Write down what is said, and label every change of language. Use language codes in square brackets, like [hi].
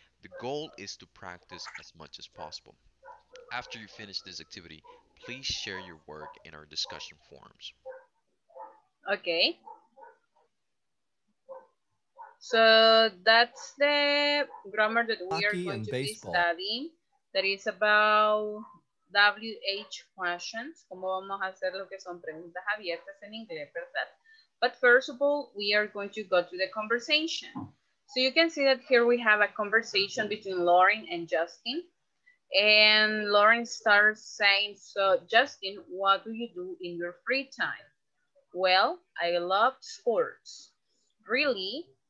[en] The goal is to practice as much as possible. After you finish this activity, please share your work in our discussion forums. Okay. So that's the grammar that we are going to be studying. That is about WH questions. [es] Como vamos a hacer lo que son preguntas abiertas en inglés, ¿verdad? [en] But first of all, we are going to go to the conversation. So you can see that here we have a conversation between Lauren and Justin. And Lauren starts saying, so Justin, what do you do in your free time? Well, I love sports. Really?